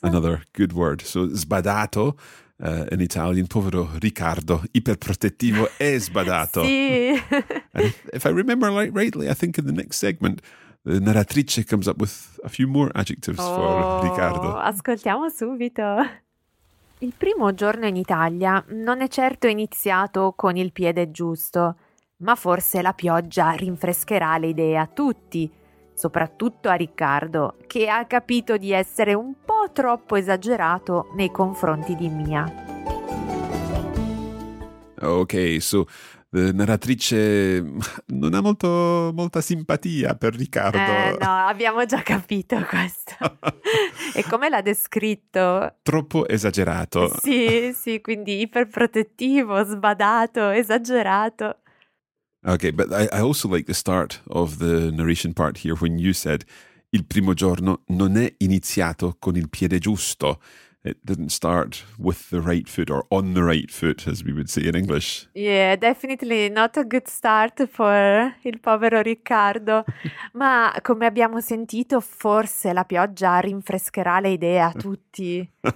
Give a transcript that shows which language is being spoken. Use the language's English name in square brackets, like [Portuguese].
[English] Another good word. So sbadato in Italian. [Italian] Povero Riccardo, iperprotettivo e sbadato. Sì. [English] If I remember rightly, I think in the next segment, the narratrice comes up with a few more adjectives for Riccardo. [Italian] Ascoltiamo subito. Il primo giorno in Italia non è certo iniziato con il piede giusto, ma forse la pioggia rinfrescherà le idee a tutti. soprattutto a Riccardo, che ha capito di essere un po' troppo esagerato nei confronti di Mia. Ok, so, la narratrice non ha molto, molta simpatia per Riccardo. No, abbiamo già capito questo. E come l'ha descritto? Troppo esagerato. Sì, quindi iperprotettivo, sbadato, esagerato. [English] Okay, but I also like the start of the narration part here when you said [Italian] il primo giorno non è iniziato con il piede giusto. [English] It didn't start with the right foot or on the right foot, as we would say in English. Yeah, definitely not a good start for [Italian] il povero [English] Riccardo. [Italian] Ma come abbiamo sentito, forse la pioggia rinfrescherà le idee a tutti.